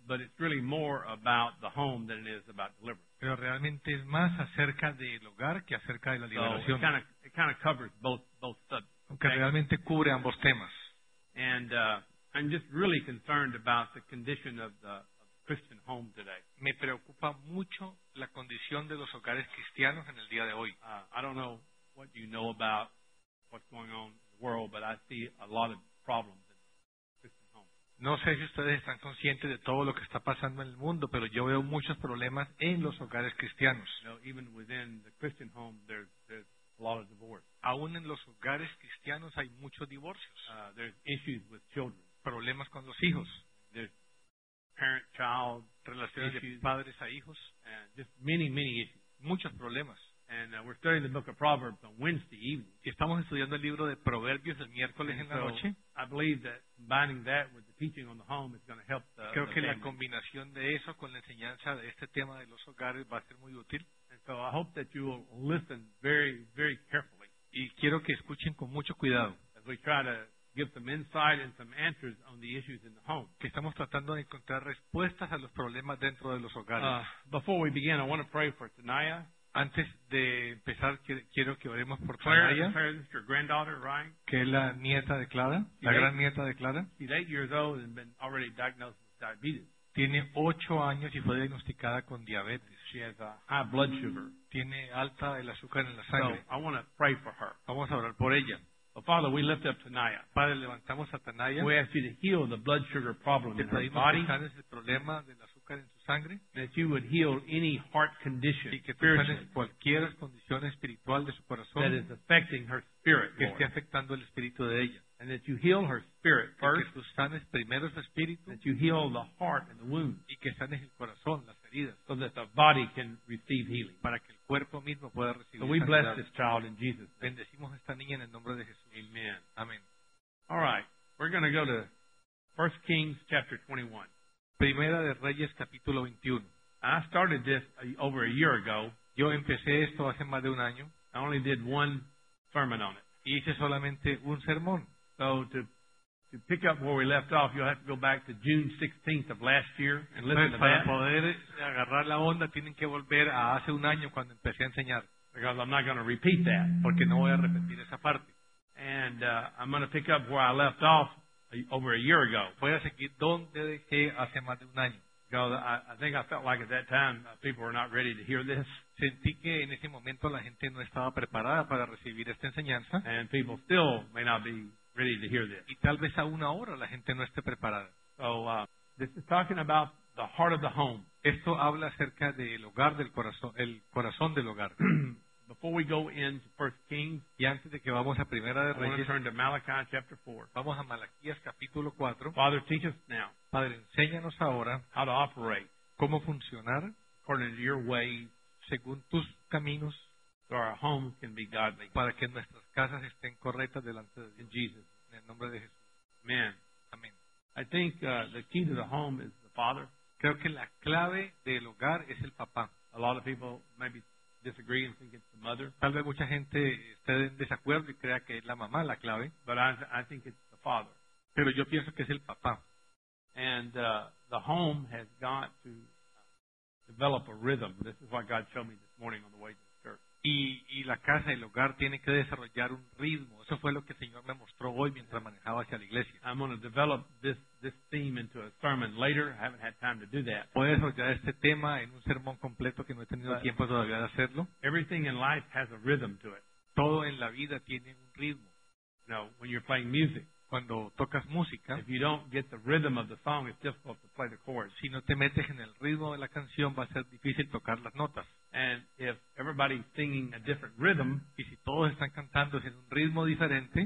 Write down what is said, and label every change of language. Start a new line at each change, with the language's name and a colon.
English: But it's really more about the home than it is about deliverance.
Spanish: Pero realmente es más acerca del hogar que acerca de la liberación.
English: So it kind of covers both subjects.
Spanish: Aunque realmente cubre ambos temas.
English: And I'm just really concerned about the condition of the Christian home today.
Spanish: Me preocupa mucho la condición de los hogares cristianos en el día de hoy.
English: I don't know what you know about what's going on in the world, but I see a lot of problems in Christian homes.
Spanish: No sé si ustedes están conscientes de todo lo que está pasando en el mundo, pero yo veo muchos problemas en los hogares cristianos.
English: You know, even within the Christian home, there's a lot of divorce.
Spanish: Aún en los hogares cristianos hay muchos divorcios.
English: There's issues with children.
Spanish: Problemas con los hijos.
English: There's parent-child
Spanish: relaciones
English: issues,
Spanish: de padres a hijos,
English: and just many issues.
Spanish: Muchos problemas.
English: And we're studying the book of Proverbs on Wednesday evening.
Spanish: Y estamos estudiando el libro de Proverbios el miércoles en la noche.
English: I believe that combining that with the teaching on the home is going to help the
Spanish: creo que
English: family.
Spanish: La combinación de eso con la enseñanza de este tema de los hogares va a ser muy útil.
English: And so I hope that you will listen very, very carefully.
Spanish: Y quiero que escuchen con mucho cuidado.
English: As we try to give some insight and some answers on the issues in the home.
Spanish: Que estamos tratando de encontrar respuestas a los problemas dentro de los hogares.
English: Before we begin, I want to pray for Tanaya.
Spanish: Antes de empezar, quiero que oremos por Clara, Tanaya.
English: Clara, this is your granddaughter, right?
Spanish: Que es la nieta de Clara,
English: she's
Spanish: la gran nieta de Clara.
English: She's 8 years old and been already diagnosed with diabetes.
Spanish: Tiene 8 años y fue diagnosticada con diabetes.
English: She has a high blood sugar.
Spanish: Tiene alta el azúcar en la sangre.
English: So I want to pray for her.
Spanish: Vamos a orar por ella.
English: Well, Father, we lift up Tanaya.
Spanish: Padre, levantamos a Tanaya.
English: We ask you to heal the blood sugar problem in her body.
Spanish: Que sanes el problema del azúcar en su sangre.
English: That you would heal any heart condition.
Spanish: Y que tú sanes cualquier condición espiritual de su corazón.
English: That is affecting her spirit.
Spanish: Que esté afectando el espíritu de ella.
English: And that you heal her spirit first.
Spanish: Que tú sanes primero su espíritu.
English: That you heal the heart and the wound.
Spanish: Y que sanes el corazón, las heridas.
English: So that the body can receive healing.
Spanish: Para que cuerpo mismo pueda recibir.
English: So we bless this child in Jesus.
Spanish: Bendecimos a esta niña en el nombre de Jesús.
English: Amen.
Spanish: Amen.
English: All right. We're going to go to 1 Kings chapter 21.
Spanish: Primera de Reyes capítulo 21.
English: I started this over a year ago.
Spanish: Yo empecé esto hace más de un año.
English: I only did one sermon on it.
Spanish: Y hice solamente un sermón.
English: So to pick up where we left off, you'll have to go back to June 16th of last year and listen to that.
Spanish: Para poder agarrar la onda, tienen que volver a hace un año cuando empecé a enseñar.
English: Because I'm not going to repeat that.
Spanish: Porque no voy a repetir esa parte.
English: And I'm going to pick up where I left off over a year ago.
Spanish: Voy a seguir donde dejé hace más de un año.
English: Because I think I felt like at that time people were not ready to hear this.
Spanish: Sentí que en ese momento la gente no estaba preparada para recibir esta enseñanza.
English: And people still may not be ready to hear this.
Spanish: Y tal vez aún ahora la gente no esté preparada.
English: So, this is talking about the heart of the home.
Spanish: Esto habla acerca del hogar del corazón, el corazón del hogar.
English: Before we go into 1 Kings,
Spanish: y antes de que vamos a Primera de Reyes,
English: I want to turn to Malachi chapter 4.
Spanish: Vamos a Malaquías capítulo 4.
English: Father, teach us now.
Spanish: Padre, enséñanos ahora
English: how to operate.
Spanish: Cómo funcionar
English: according to your way,
Spanish: según tus caminos.
English: So our home can be godly.
Spanish: Para que nuestras casas estén correctas delante de Dios.
English: In Jesus.
Spanish: En el nombre de Jesús.
English: Amen.
Spanish: Amen.
English: I think the key to the home is the father.
Spanish: Creo que la clave del hogar es el papá.
English: A lot of people maybe disagree and think it's the mother.
Spanish: Tal vez mucha gente esté en desacuerdo y crea que es la mamá la clave.
English: But I think it's the father.
Spanish: Pero yo pienso que es el papá.
English: And the home has got to develop a rhythm. This is what God showed me this morning on the way to.
Spanish: Y la casa, el hogar, tiene que desarrollar un ritmo. Eso fue lo que el Señor me mostró hoy mientras manejaba hacia la iglesia.
English: I'm going to develop this theme into a sermon later. I haven't had time to do that.
Spanish: Voy a desarrollar este tema en un sermón completo que no he tenido tiempo todavía de hacerlo.
English: Everything in life has a rhythm to it.
Spanish: Todo en la vida tiene un ritmo.
English: Now, when you're playing music,
Spanish: cuando tocas música,
English: if you don't get the rhythm of the song, it's difficult to play the chords.
Spanish: Si no te metes en el ritmo de la canción, va a ser difícil tocar las notas.
English: And if everybody's singing a different rhythm,
Spanish: y si todos están cantando en un ritmo diferente,